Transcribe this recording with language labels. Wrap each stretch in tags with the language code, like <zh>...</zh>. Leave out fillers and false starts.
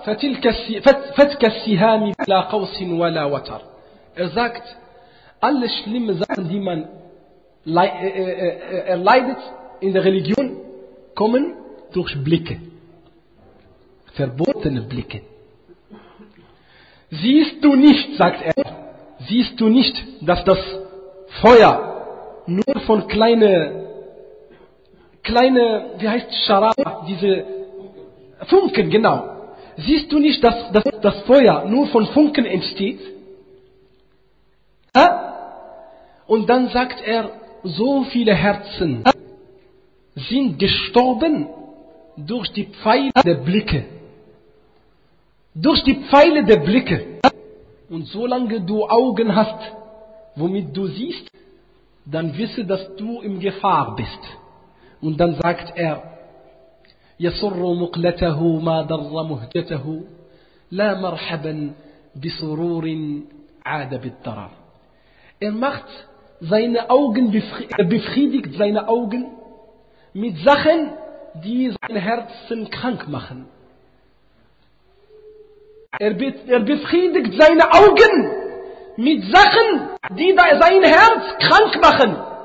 <ar>فتلك السهام لا قوس ولا وتر.</ar> <de>Er sagt, alle schlimmen Sachen, die man erleidet in der Religion, kommen durch Blicke. Verbotene Blicke. Siehst du nicht, sagt er, siehst du nicht, dass das Feuer nur von kleinen, wie heißt Scharaba, diese Funken, genau. Siehst du nicht, dass das Feuer nur von Funken entsteht? Und dann sagt er, so viele Herzen sind gestorben durch die Pfeile der Blicke. Durch die Pfeile der Blicke. Und solange du Augen hast, womit du siehst, dann wisse, dass du in Gefahr bist. Und dann sagt er,</de> <ar>يسر مقلته ما ضر مهجته لا مرحبا بسرور عاد بالضرر.</ar> <de>Er macht seine Augen, befriedigt seine Augen mit Sachen, die sein Herzen krank machen. Er befriedigt seine Augen mit Sachen, die sein Herz krank machen.</de>